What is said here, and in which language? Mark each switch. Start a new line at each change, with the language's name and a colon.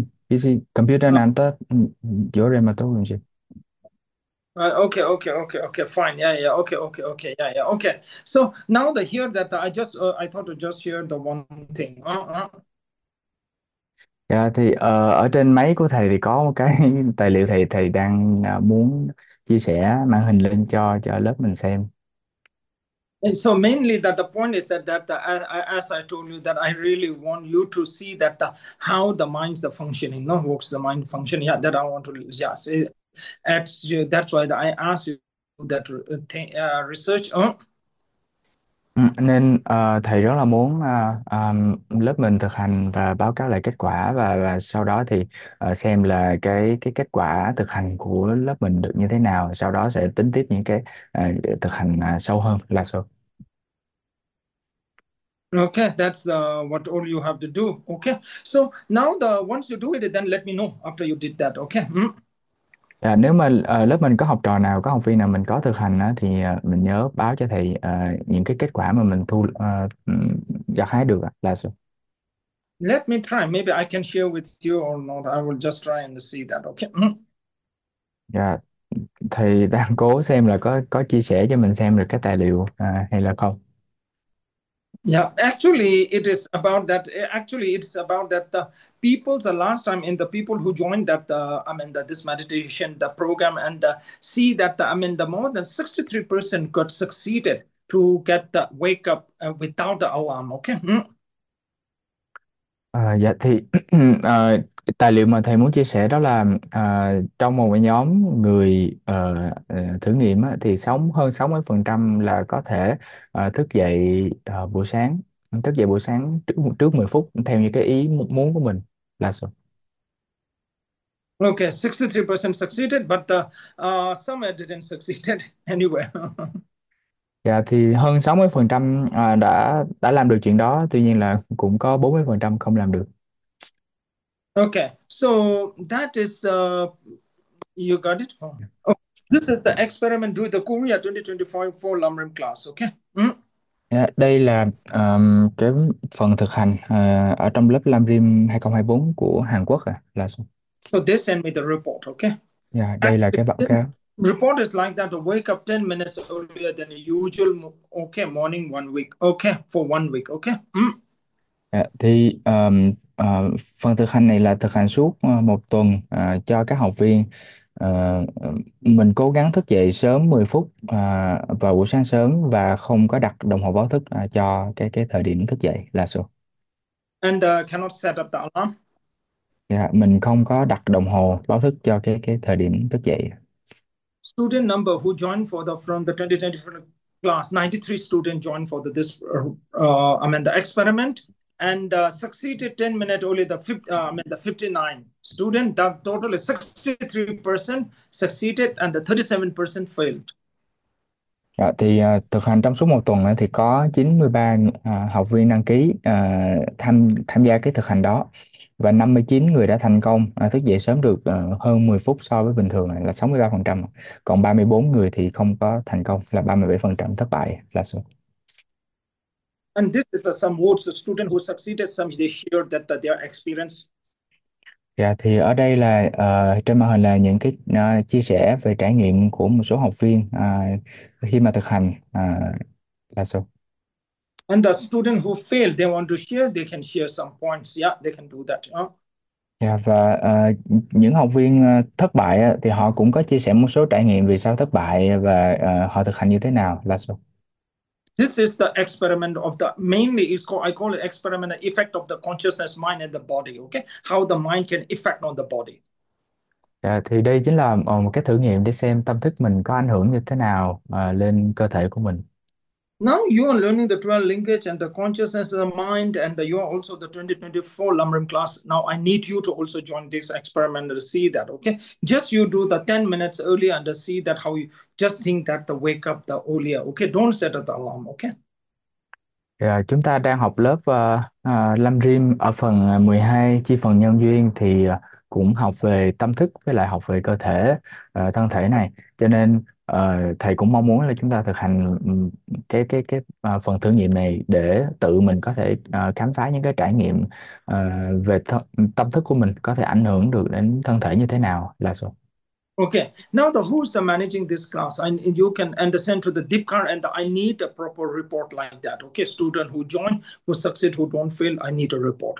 Vietnamese: PC, computer này anh ta chỗ rồi mà tôi cũng chưa.
English: Okay, fine. Okay. So now the here that I just I thought to just share the one thing.
Vietnamese: Dạ thì ở trên máy của thầy thì có một cái tài liệu thầy đang muốn chia sẻ màn hình lên cho lớp mình xem.
English: And so mainly that the point is as I told you that I really want you to see that how the mind's the functioning, no, works the mind function. Yeah, that I want to yeah see. That's why I asked you that research.
Vietnamese: Nên thầy rất là muốn lớp mình thực hành và báo cáo lại kết quả và sau đó thì xem là cái kết quả thực hành của lớp mình được như thế nào, sau đó sẽ tính tiếp những cái thực hành sâu hơn là sau.
English: Okay, that's what all you have to do. Okay, so now the once you do it, then let me know after you did that. Okay.
Vietnamese: À, nếu mà lớp mình có học trò nào, có học viên nào mình có thực hành á, thì mình nhớ báo cho thầy những cái kết quả mà mình thu gặt hái được là sao.
English: Let me try. Maybe I can share with you or not. I will just try and see that. Okay.
Vietnamese: Dạ, thầy đang cố xem là có chia sẻ cho mình xem được cái tài liệu hay là không.
English: Yeah, actually, it is about that. Actually, it's about that the people, the last time in the people who joined that, I mean, that this meditation, the program, and see that, I mean, the more than 63% got succeeded to get the wake up without the alarm. Okay.
Vietnamese: Dạ thì tài liệu mà thầy muốn chia sẻ đó là trong một nhóm người thử nghiệm á, thì sống hơn 60% là có thể thức dậy buổi sáng, thức dậy buổi sáng trước trước 10 phút theo như cái ý muốn của mình là sao.
English: Okay, 63% succeeded, but some didn't succeeded anywhere.
Vietnamese: Dạ thì hơn 60% đã làm được chuyện đó, tuy nhiên là cũng có 40% không làm được.
English: Okay, so that is you got it from. Oh, this is the experiment with the Korea 2025 for Lamrim class. Okay.
Vietnamese: Dạ, đây là cái phần thực hành ở trong lớp Lam Rim 2024 của Hàn Quốc à, là
English: So they send me the report, okay? dạ, And
Vietnamese: đây là cái báo cáo.
English: report is like that, wake up 10 minutes earlier than usual, okay, morning 1 week, okay, for 1 week, okay?
Vietnamese: Thì phần thực hành này là thực hành suốt một tuần cho các học viên Mình cố gắng thức dậy sớm 10 phút vào buổi sáng sớm và không có đặt đồng hồ báo thức cho cái thời điểm thức dậy là sao?
English: And cannot set up the alarm.
Vietnamese: Mình không có đặt đồng hồ báo thức cho cái thời điểm thức dậy.
English: Student number who joined for the from the 2024 class, 93 student joined for the this Amanda experiment and succeeded 10 minutes only the fifth the 59 student. The total is 63% succeeded and the 37% failed.
Vietnamese: Dạ, thì thực hành trong suốt một tuần thì có 93 học viên đăng ký tham gia cái thực hành đó, và 59 người đã thành công thức dậy sớm được hơn 10 phút so với bình thường là 63%, còn 34 người thì không có thành công là 37%, thất bại là số.
English: And this is the some words the student who succeeded, some they shared that, that their experience.
Vietnamese: Dạ, thì ở đây là trên màn hình là những cái chia sẻ về trải nghiệm của một số học viên khi mà thực hành là sao?
English: And the student who failed, they want to share, they can share some points. Yeah, they can do that.
Vietnamese: Dạ, và những học viên thất bại thì họ cũng có chia sẻ một số trải nghiệm vì sao thất bại và họ thực hành như thế nào là sao?
English: This is the experiment of the mainly is called I call it experiment the effect of the consciousness mind and the body. Okay, how the mind can affect on the body.
Vietnamese: À, thì đây chính là một cái thử nghiệm để xem tâm thức mình có ảnh hưởng như thế nào lên cơ thể của mình.
English: Now you are learning the 12 linkage and the consciousness of the mind and the, you are also the 2024 Lamrim class. Now I need you to also join this experiment to see that. Okay, just you do the 10 minutes earlier and see that how you just think that the wake up the earlier. Okay, don't set up the alarm. Okay.
Vietnamese: Yeah, chúng ta đang học lớp Lam Rim ở phần 12 chi phần nhân duyên thì cũng học về tâm thức với lại học về cơ thể thân thể này, cho nên thầy cũng mong muốn là chúng ta thực hành cái phần thử nghiệm này để tự mình có thể khám phá những cái trải nghiệm về tâm thức của mình có thể ảnh hưởng được đến thân thể như thế nào là sao.
English: Okay, now the who's the managing this class? And you can understand to the deep card and I need a proper report like that. Okay, student who join, who succeed, who don't fail, I need a report.